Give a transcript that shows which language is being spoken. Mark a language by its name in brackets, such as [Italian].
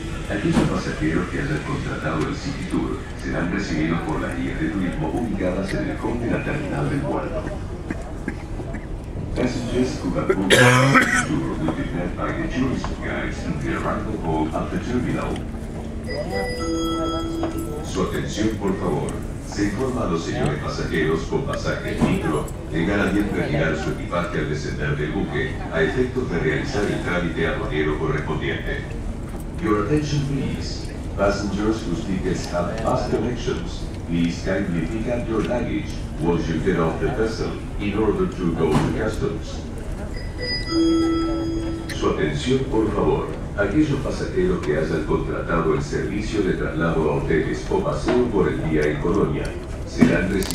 [Spanish] Aquellos pasajeros que hayan contratado el City Tour serán recibidos por las guías de turismo ubicadas en el fondo de la terminal del puerto. [English] Passengers who have booked the City Tour will be met by the tourist guides in the arrival hall at the terminal. [Spanish] Su atención, por favor. Se informa a los señores pasajeros con pasaje micro que garantizan retirar su equipaje al descender del buque a efectos de realizar el trámite aduanero correspondiente. [English] Your attention, please. Passengers whose tickets have bus connections, please kindly pick up your luggage once you get off the vessel in order to go to customs. [Spanish] Su atención, por favor. Aquellos pasajeros que hayan contratado el servicio de traslado a hoteles o paseo por el día en Colonia serán recibidos.